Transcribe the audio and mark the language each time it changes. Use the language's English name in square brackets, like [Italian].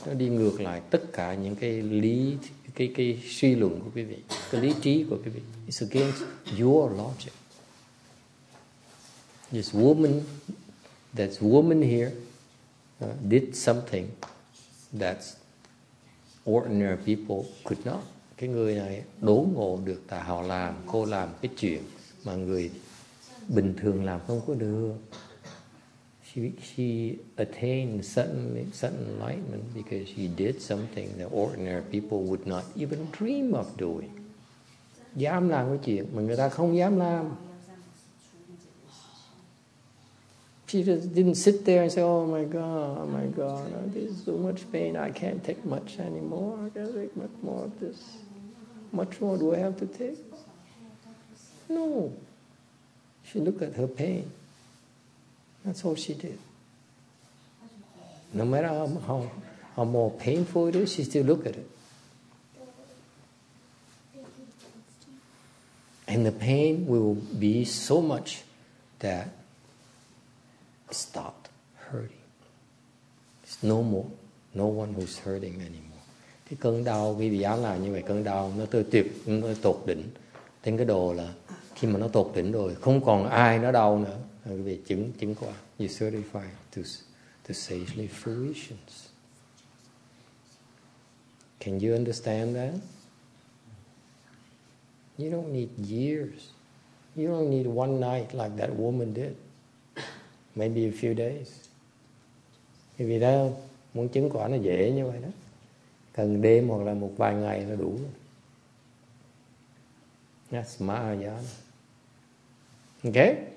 [Vietnamese] Nó đi ngược lại tất cả những cái lý, cái suy luận của quý vị, cái lý trí của quý vị. [English] It's against your logic. This woman here did something that ordinary people could not. [Vietnamese] Cái người này đố ngộ được, tại họ làm, cô làm cái chuyện mà người bình thường làm không có được. [English] She attained sudden enlightenment because she did something that ordinary people would not even dream of doing. [Vietnamese] Dám làm cái chuyện mà người ta không dám làm. [English] She just didn't sit there and say, oh my God, oh, this is so much pain, I can't take much anymore, I can't take much more of this. Much more do I have to take? No. She looked at her pain. That's all she did. No matter how more painful it is, she still looked at it. And the pain will be so much that stopped hurting. It's no more. No one who's hurting anymore. [Vietnamese] Cái cơn đau, quý vị án là như vậy, cơn đau nó tới tuyệt, nó tột đỉnh. Đến cái đồ là khi mà nó tột đỉnh rồi, không còn ai nó đau nữa. Quý vị chứng qua. [English] You certify to sagely fruition. Can you understand that? You don't need years. You don't need one night like that woman did. Maybe a few days. [Vietnamese] Vì đó, muốn chứng quả nó dễ như vậy đó. Cần đêm hoặc là một vài ngày là đủ. [English] That's Mahayana. Okay?